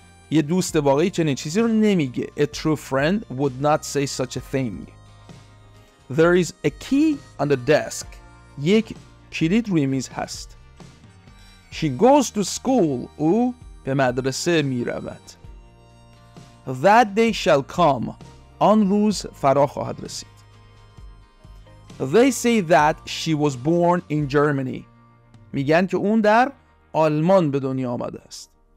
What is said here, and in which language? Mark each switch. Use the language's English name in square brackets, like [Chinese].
[Persian] یه دوست واقعی چنین چیزی رو نمیگه. [English] A true friend would not say such a thing. There is a key on the desk. [Persian] یک کلید روی میز هست. [English] She goes to school. [Persian] او به مدرسه میرود. [English] That day shall come. [Persian] آن روز فرا خواهد رسید. [English] They say that she was born in Germany. [Persian] میگن که اون در آلمان به دنیا آمده است.